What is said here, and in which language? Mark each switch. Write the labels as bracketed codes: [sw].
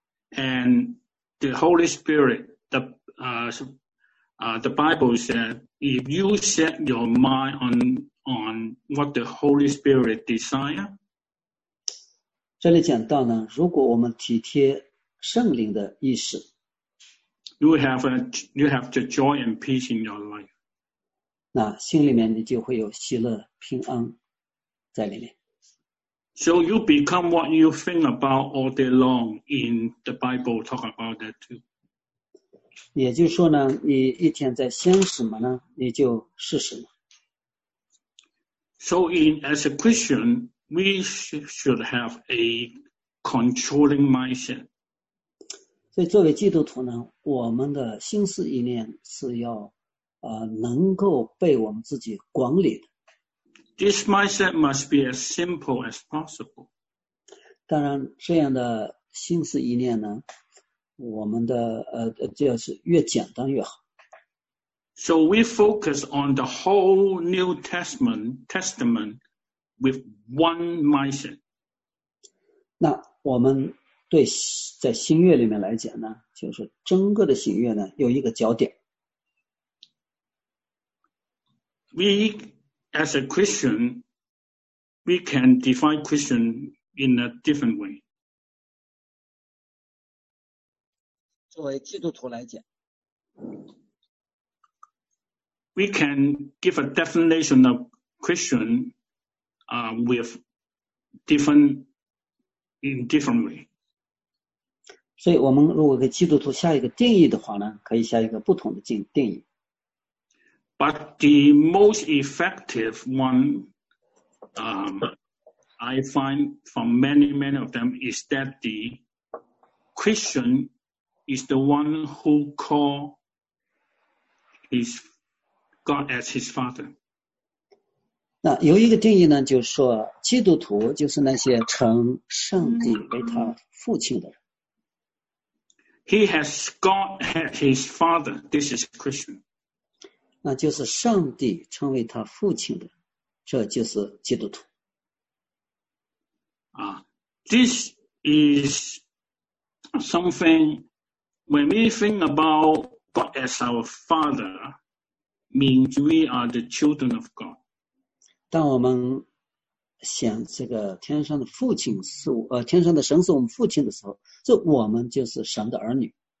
[en] AndThe Holy Spirit, the Bible said, if you set your mind on what the Holy Spirit desire, [zh] 这里讲到呢，如果我们体贴圣灵的意思 [en] you have the joy and peace in your life. [zh] 那心里面你就会有喜乐平安在里面。 [en] So you become what you think about all day long in the Bible talk about that too. [zh] 也就是说呢，你一天在想什么呢，你就是什么。 [en] So in, as a Christian, we should have a controlling mindset. [zh] 所以作为基督徒呢，我们的心思意念是要能够被我们自己管理的。 [en] This mindset must be as simple as possible. [zh] 当然，这样的心思意念呢，我们的就是越简单越好。 [en] So we focus on the whole New Testament with one mindset. [zh] 那我们对在新约里面来讲呢，就是整个的新约呢有一个焦点。 [en] As a Christian, we can define Christian in a different way. [zh] 作为基督徒来讲 [en] we can give a definition of Christian with different in different way. [zh] 所以我们如果给基督徒下一个定义的话呢，可以下一个不同的定义。 [en] But the most effective one, I find from many of them is that the Christian is the one who call his God as his father. [zh] 那有一个定义呢，就是说基督徒就是那些称上帝为他父亲的人。 [en] He has God as his father. This is Christian. [zh] 那就是上帝成为他父亲的，这就是基督徒。 [en] This is something When we think about God as our Father, means we are the children of God. [zh] 当我们想这个天上的父亲是天上的神是我们父亲的时候，这我们就是神的儿女。